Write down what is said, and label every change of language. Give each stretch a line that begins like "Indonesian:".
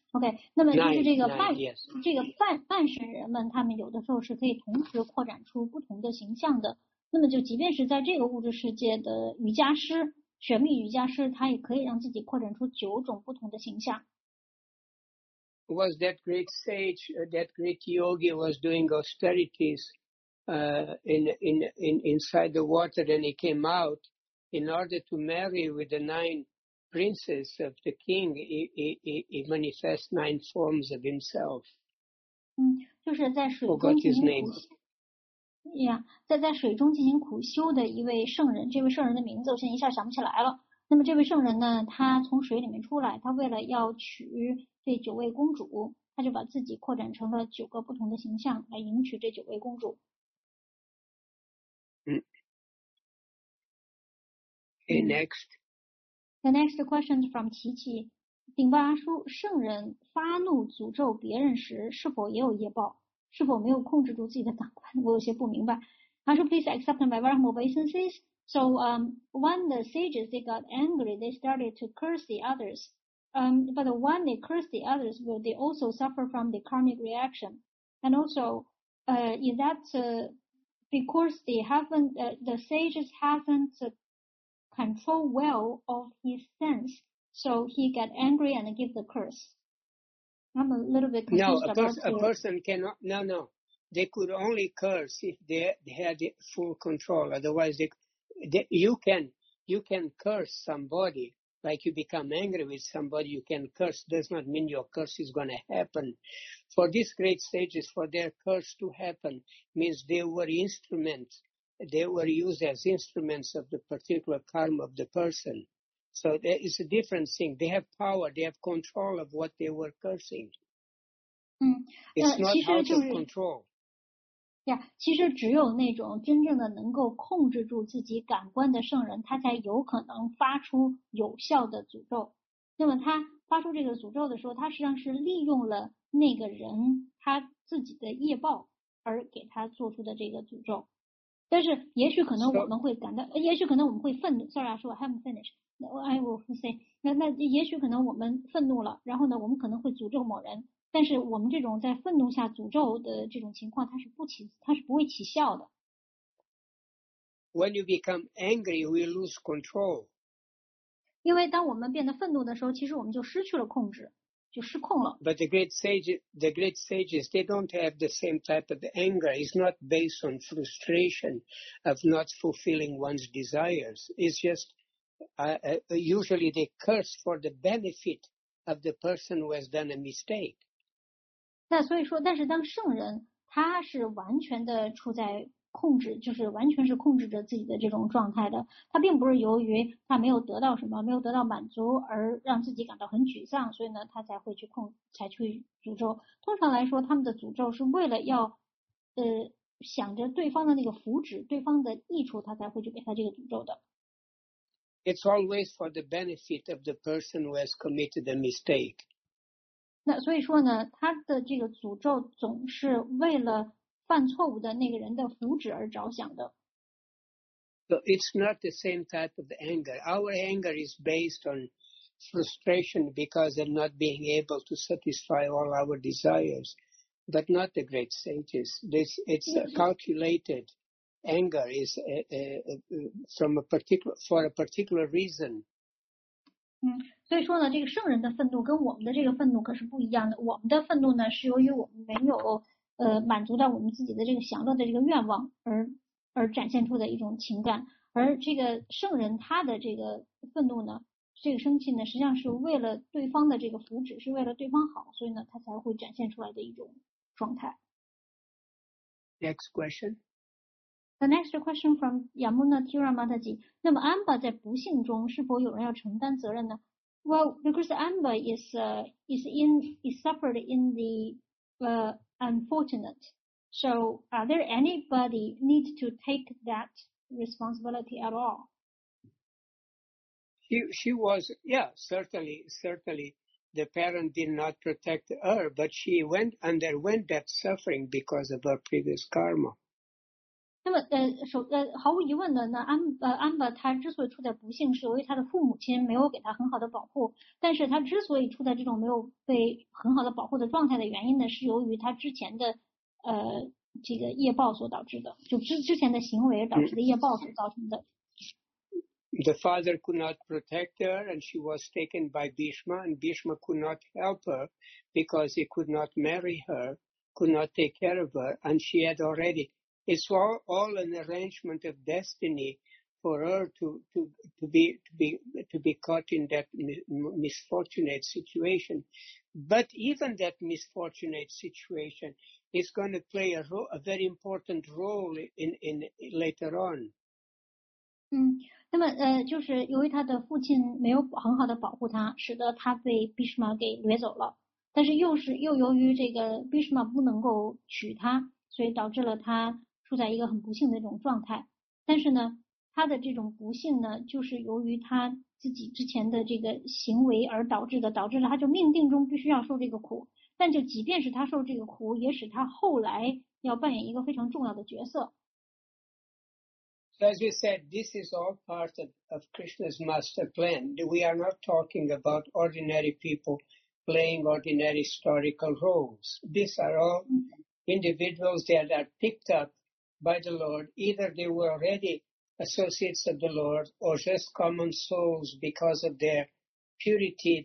Chinese: OK, 那么就是这个半 这个半神人们，他们有的时候是可以同时扩展出不同的形象的。那么就即便是在这个物质世界的瑜伽师，神秘瑜伽师，他也可以让自己扩展出九种不同的形象。
English: Was that great sage, that great yogi was doing austerities inside the water, and he came out in order to marry with the nine princes of the king. He manifests nine forms of himself.
Chinese: 就是在水中
English: Forgot his name.
Chinese: Yeah, 在水中进行苦修的一位圣人，这位圣人的名字我现在一下想不起来了。那么这位圣人呢，他从水里面出来，他为了要娶这九位公主，他就把自己扩展成了九个不同的形象来迎娶这九位公主。
English: Okay, next. The next question is from 琪琪。
Chinese: 顶巴叔，圣人发怒诅咒别人时是否也有业报？是否没有控制住自己的感官？我有些不明白。他说
English: please accept my verbal obeisances. So, when the sages, they got angry, they started to curse the others. But when they curse the others, will they also suffer from the karmic reaction? And also, is that because they haven't, the sages haven't control well of his sense, so he get angry and give the curse? I'm a little bit confused about this. No, they could only curse if they had full control. Otherwise, you can curse somebody. Like you become angry with somebody, you can curse. Does not mean your curse is going to happen. For these great sages, for their curse to happen, means they were instruments. They were used as instruments of the particular karma of the person. So there is a different thing. They have power. They have control of what they were cursing. It's not out of control.
Chinese: Yeah, 其实只有那种真正的能够控制住自己感官的圣人，他才有可能发出有效的诅咒。那么他发出这个诅咒的时候，他实际上是利用了那个人他自己的业报而给他做出的这个诅咒。但是也许可能我们会感到，也许可能我们会愤怒。
English: Sorry, I haven't finished. I will say.
Chinese: 那也许可能我们愤怒了，然后呢，我们可能会诅咒某人。但是我们这种在愤怒下诅咒的这种情况，它是不会起效的。
English: When you become angry, we lose control.
Chinese: 因为当我们变得愤怒的时候，其实我们就失去了控制，就失控了。
English: But the great sages, they don't have the same type of anger. It's not based on frustration of not fulfilling one's desires. It's just usually they curse for the benefit of the person who has done a mistake.
Chinese: 那所以说，但是当圣人他是完全的处在控制，就是完全是控制着自己的这种状态的，他并不是由于他没有得到什么，没有得到满足而让自己感到很沮丧，所以呢他才会去控，才去诅咒。通常来说，他们的诅咒是为了要想着对方的那个福祉，对方的益处，他才会去给他这个诅咒的。
English: It's always for the benefit of the person who has committed a mistake.
Chinese: 那所以说呢，他的这个诅咒总是为了犯错误的那个人的福祉而着想的。
English: So it's not the same type of anger. Our anger is based on frustration because of not being able to satisfy all our desires, but not the great sages. It's a calculated anger is for a particular reason.
Chinese: 所以说呢，这个圣人的愤怒跟我们的这个愤怒可是不一样的。我们的愤怒呢，是由于我们没有满足到我们自己的这个享乐的这个愿望而展现出的一种情感。而这个圣人他的这个愤怒呢，这个生气呢，实际上是为了对方的这个福祉，是为了对方好，所以呢，他才会展现出来的一种状态。
English: Next question. The next question from Yamuna Tira Mataji.
Chinese: 那么 Amber 在不幸中是否有人要承担责任呢？
English: Well, because Amber is suffered in the unfortunate. So are there anybody need to take that responsibility at all? Certainly the parent did not protect her, but she underwent that suffering because of her previous karma.
Chinese: 那么，毫无疑问的，那安巴他之所以处在不幸，是由于他的父母亲没有给他很好的保护。但是他之所以处在这种没有被很好的保护的状态的原因呢，是由于他之前的这个业报所导致的，就之前的行为导致的业报所造成的。
English: The father could not protect her, and she was taken by Bhishma, and Bhishma could not help her because he could not marry her, could not take care of her, and she had already. It's all an arrangement of destiny for her to be caught in that misfortunate situation. But even that misfortunate situation is going to play a very important role in later on.
Chinese: 那么就是由于他的父亲没有很好的保护他，使得他被 Bhishma 给掠走了。但是又由于这个 Bhishma 不能够娶她，所以导致了他处在一个很不幸的这种状态。但是呢，他的这种不幸呢，就是由于他自己之前的这个行为而导致的，导致了他就命定中必须要受这个苦。但就即便是他受这个苦，也使他后来要扮演一个非常重要的角色。
English: So as you said, this is all part of Krishna's master plan. We are not talking about ordinary people playing ordinary historical roles. These are all individuals that are picked up by the Lord. Either they were already associates of the Lord or just common souls because of their purity.